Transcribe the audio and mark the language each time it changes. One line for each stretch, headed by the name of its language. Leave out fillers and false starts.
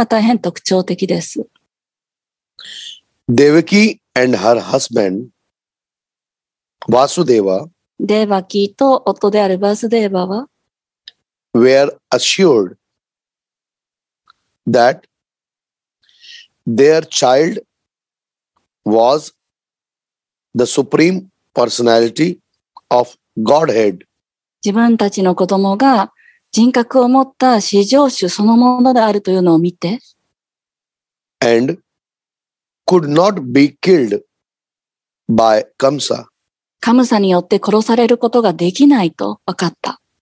Japanese: で、この説において、この驚いたというのが大変特徴的です.
English: Devaki and her husband, Vasudeva,
Japanese: デーバキーと夫であるバスデーバは,
English: were assured that their child was the Supreme Personality of Godhead.
Japanese: 自分たちの子供が人格を持った至上主そのものであるというのを見て,
English: and could not be killed by Kamsa.
Japanese: Kamsa によって殺されることができないと分かった.